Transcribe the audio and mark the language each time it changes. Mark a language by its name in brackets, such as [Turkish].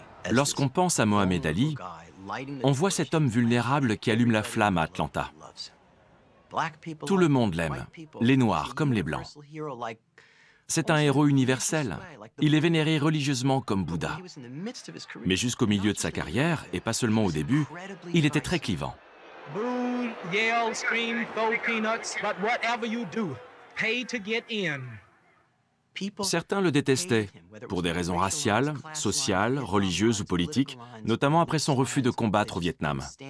[French] Lorsqu'on pense à Mohamed Ali, on voit cet homme vulnérable qui allume la flamme à Atlanta. Tout le monde l'aime, les Noirs comme les Blancs. C'est un héros universel. Il est vénéré religieusement comme Bouddha. Mais jusqu'au milieu de sa carrière, et pas seulement au début, il était très clivant. [English] Boo, yell, scream, throw peanuts, but whatever you do, pay to get in. [French] Certains le détestaient, pour des raisons raciales, sociales, religieuses ou politiques, notamment après son refus de combattre au Vietnam.